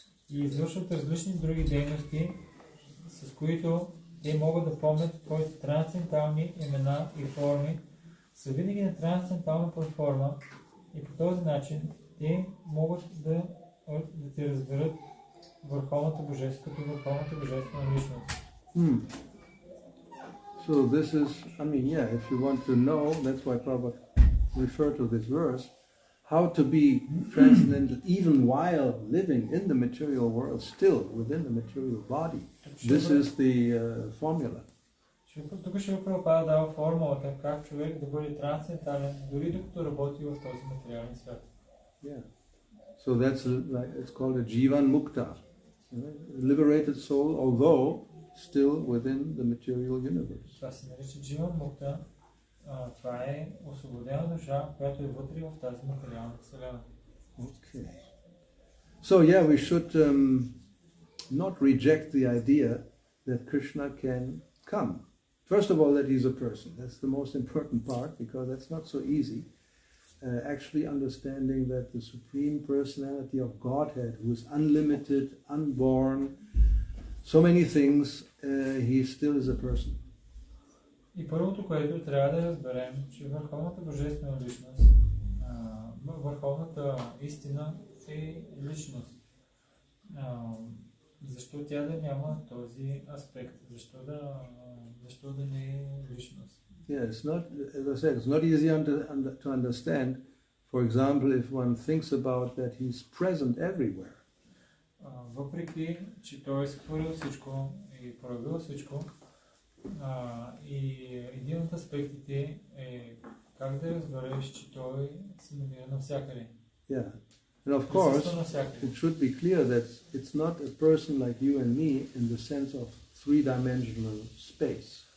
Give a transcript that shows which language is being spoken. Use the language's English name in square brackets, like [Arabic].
[Bulgarian] и извършват различни други дейности, с които те могат да помнят твоите трансцентални имена и форми, са винаги на трансцентална платформа и по този начин те могат да те разберат върховната божество като върховната божествена личност. [English] So this is, if you want to know, that's why Prabhupada refer to this verse, how to be transcendental even while living in the material world, still within the material body. This is the formula. [Bulgarian] Тук ще ви Прабхупада дава формулата как човек да бъде трансцендентален, дори докато работи в този материален свят. [English] So that's like, it's called a jivan mukta, liberated soul, although still within the material universe. [Bulgarian] Това се нарича jivan mukta. Това е освободена душа, която е вътре в тази материална вселена. [English] So yeah, we should not reject the idea that Krishna can come. First of all, that he's a person. That's the most important part, because that's not so easy. Actually understanding that the Supreme Personality of Godhead, who is unlimited, unborn, so many things, he still is a person. [Bulgarian] И първото, което трябва да разберем, че върховната божествена личност, върховната истина е личност. Защо тя да няма този аспект? Защо да не е личност? [English] Yeah, it's not, as I said, it's not easy to understand. For example, if one thinks about that he's present everywhere. [Bulgarian] Въпреки че той е сътворил всичко и проявил всичко, и един от аспектите е как да разбереш, че той се намира навсякъде. [English] Yeah. And of course, it should be clear that it's not a person like you and me in the sense of three-dimensional space.